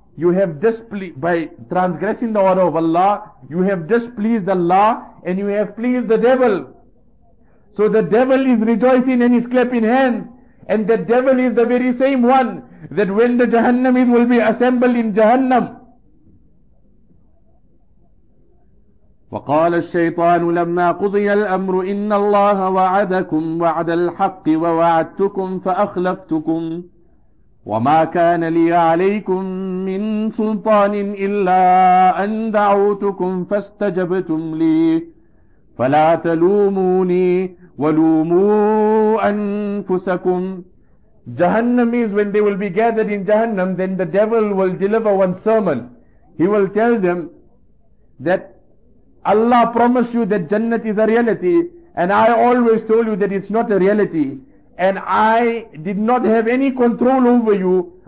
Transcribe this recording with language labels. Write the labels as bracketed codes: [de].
[en] you have displeased, by transgressing the order of Allah, you have displeased Allah and you have pleased the devil. So the devil is rejoicing and he's clapping hands. And the devil is the very same one that when the Jahannamis will be assembled in Jahannam. [ar] وقال الشيطان لما قضي الأمر إن الله وعدكم وعد الحق ووعدتكم فأخلفتكم وما كان لي عليكم من سلطان إلا أن دعوتكم فاستجبتم لي فلا تلوموني ولوموا أنفسكم. [en] Jahannam is when they will be gathered in Jahannam, then the devil will deliver one sermon. He will tell them that Allah promised you that Jannat is a reality, and I always told you that it's not a reality, and I did not have any control over you.